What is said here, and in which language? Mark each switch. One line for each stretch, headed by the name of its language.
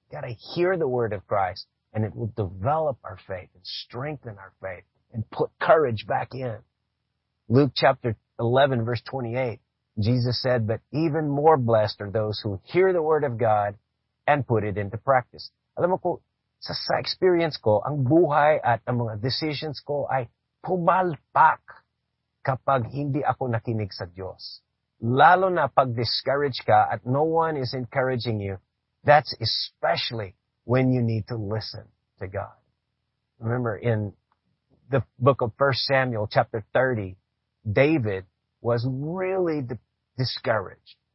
English: You got to hear the word of Christ, and it will develop our faith and strengthen our faith and put courage back in. Luke chapter 11 verse 28, Jesus said, but even more blessed are those who hear the word of God and put it into practice.
Filipino: Alam mo ko, sa experience ko, ang buhay at ang mga decisions ko ay pumalpak kapag hindi ako nakinig sa Diyos. Lalo na pag
English: discouraged
Filipino: ka at
English: no one is encouraging you, that's especially when you need to listen to God. Remember in the book of 1 Samuel chapter 30, David was really discouraged.